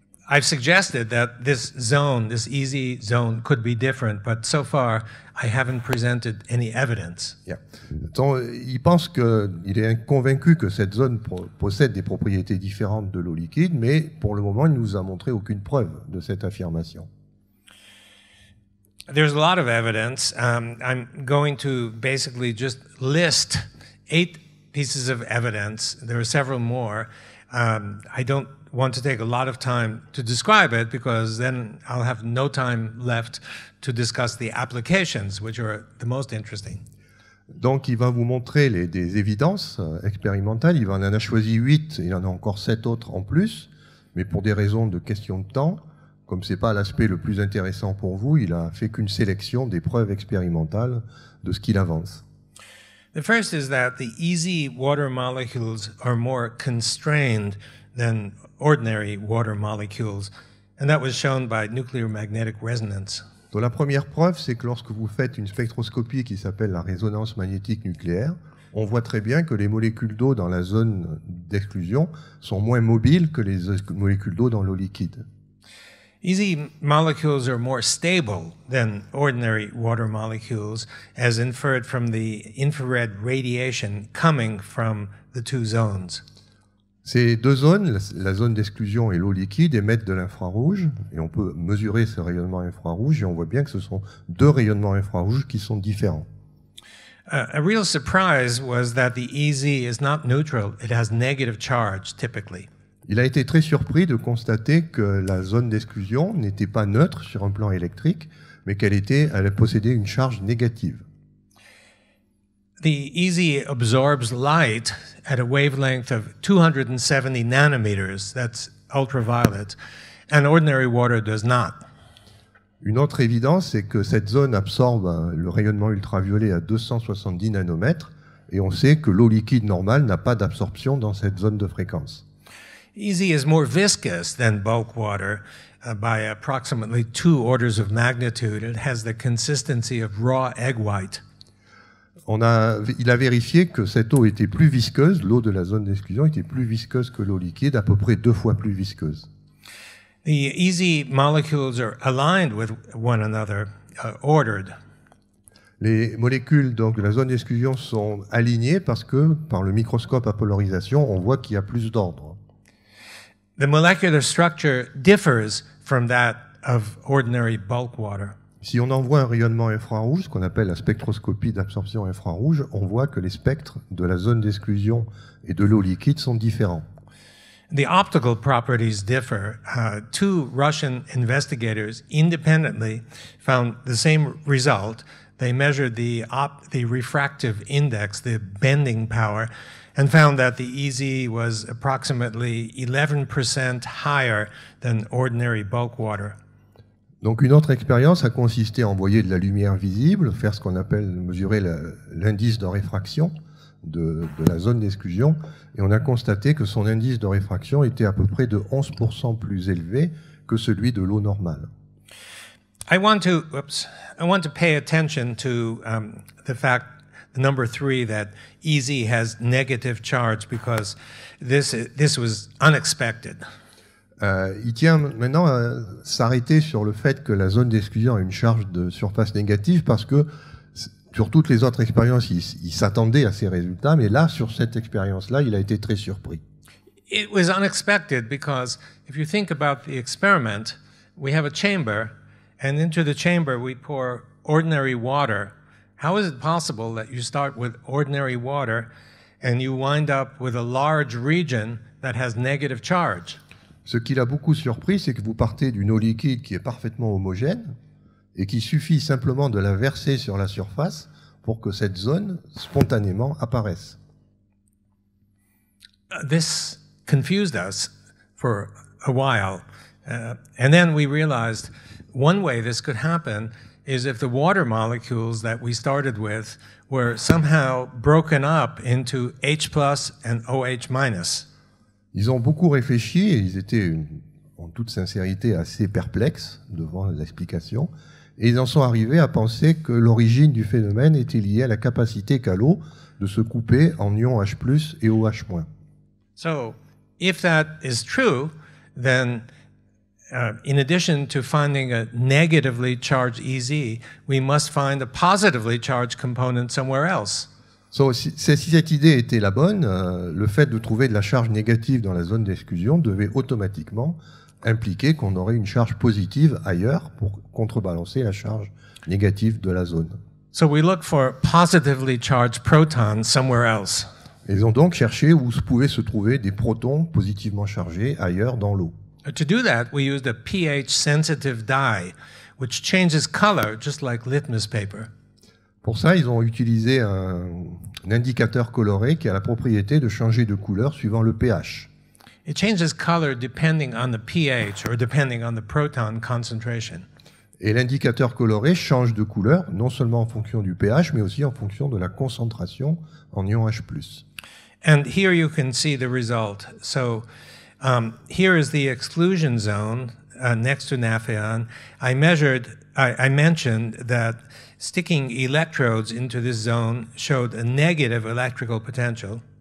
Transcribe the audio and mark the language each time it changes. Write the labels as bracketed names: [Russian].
[English] I've suggested that this zone, this easy zone, could be different, but so far I haven't presented any evidence. Yeah. [French] Donc, il est convaincu que cette zone possède des propriétés différentes de l'eau liquide, mais pour le moment, il nous a montré aucune preuve de cette affirmation. [English] There's a lot of evidence. I'm going to basically just list 8 pieces of evidence. There are several more. I don't want to take a lot of time to describe it because then I'll have no time left to discuss the applications, which are the most interesting. [French] Donc, il va vous montrer des évidences expérimentales. Il en a choisi 8, il en a encore 7 autres en plus, mais pour des raisons de question de temps, comme ce n'est pas l'aspect le plus intéressant pour vous, il a fait qu'une sélection des preuves expérimentales de ce qu'il avance. [English] The first is that the easy water molecules are more constrained than ordinary water molecules, and that was shown by nuclear magnetic resonance. [French] Donc la première preuve, c'est que lorsque vous faites une spectroscopie qui s'appelle la résonance magnétique nucléaire, on voit très bien que les molécules d'eau dans la zone d'exclusion sont moins mobiles que les molécules d'eau dans l'eau liquide. [English] Easy molecules are more stable than ordinary water molecules, as inferred from the infrared radiation coming from the two zones. [French] Ces deux zones, la zone d'exclusion et l'eau liquide, émettent de l'infrarouge, et on peut mesurer ce rayonnement infrarouge, et on voit bien que ce sont deux rayonnements infrarouges qui sont différents. [English] A real surprise was that the EZ is not neutral, it has negative charge, typically. [French] Il a été très surpris de constater que la zone d'exclusion n'était pas neutre sur un plan électrique, mais qu'elle possédait une charge négative. [English] The EZ absorbs light at a wavelength of 270 nanometers, that's ultraviolet, and ordinary water does not. [French] Une autre évidence, c'est que cette zone absorbe le rayonnement ultraviolet à 270 nanomètres, et on sait que l'eau liquide normale n'a pas d'absorption dans cette zone de fréquence. [English] EZ is more viscous than bulk water by approximately 2 orders of magnitude. It has the consistency of raw egg white. [French] Il a vérifié que cette eau était plus visqueuse, l'eau de la zone d'exclusion était plus visqueuse que l'eau liquide, à peu près 2 fois plus visqueuse. [English] The EZ molecules are aligned with one another, ordered. [French] Les molécules donc, de la zone d'exclusion sont alignées parce que, par le microscope à polarisation, on voit qu'il y a plus d'ordre. [English] The molecular structure differs from that of ordinary bulk water. [French] Si on envoie un rayonnement infrarouge, ce qu'on appelle la spectroscopie d'absorption infrarouge, on voit que les spectres de la zone d'exclusion et de l'eau liquide sont différents. [English] The optical properties differ. Two Russian investigators independently found the same result. They measured the refractive index, the bending power, and found that the EZ was approximately 11% higher than ordinary bulk water. [French] Donc une autre expérience a consisté à envoyer de la lumière visible, faire ce qu'on appelle mesurer l'indice de réfraction de la zone d'exclusion, et on a constaté que son indice de réfraction était à peu près de 11% plus élevé que celui de l'eau normale. [English] I want to pay attention to the fact, the number three, that easy has negative charge, because this was unexpected. [French] Il tient maintenant à s'arrêter sur le fait que la zone d'exclusion a une charge de surface négative, parce que sur toutes les autres expériences, il s'attendait à ces résultats, mais là, sur cette expérience-là, il a été très surpris. [English] It was unexpected because if you think about the experiment, we have a chamber, and into the chamber we pour ordinary water. How is it possible that you start with ordinary water and you wind up with a large region that has negative charge? [French] Ce qui l'a beaucoup surpris, c'est que vous partez d'une eau liquide qui est parfaitement homogène et qu'il suffit simplement de la verser sur la surface pour que cette zone spontanément apparaisse. [English] This confused us for a while. And then we realized one way this could happen is if the water molecules that we started with were somehow broken up into H plus and OH minus. [French] Ils ont beaucoup réfléchi et ils étaient, en toute sincérité, assez perplexes devant l'explication. Et ils en sont arrivés à penser que l'origine du phénomène était liée à la capacité qu'a l'eau de se couper en ions H plus et OH moins. [English] So, if that is true, then in addition to finding a negatively charged EZ, we must find a positively charged component somewhere else. [French] So, si cette idée était la bonne, le fait de trouver de la charge négative dans la zone d'exclusion devait automatiquement impliquer qu'on aurait une charge positive ailleurs pour contrebalancer la charge négative de la zone. [English] So we look for positively charged protons somewhere else. [French] Ils ont donc cherché où se pouvaient se trouver des protons positivement chargés ailleurs dans l'eau. [English] To do that, we used a pH-sensitive dye, which changes color just like litmus paper. [French] Pour ça, ils ont utilisé un indicateur coloré qui a la propriété de changer de couleur suivant le pH. [English] It changes color depending on the pH or depending on the proton concentration. [French] Et l'indicateur coloré change de couleur non seulement en fonction du pH, mais aussi en fonction de la concentration en ions H+. [English] And here you can see the result. So here is the exclusion zone next to Napheon. I mentioned that sticking electrodes into this zone showed a negative electrical potential.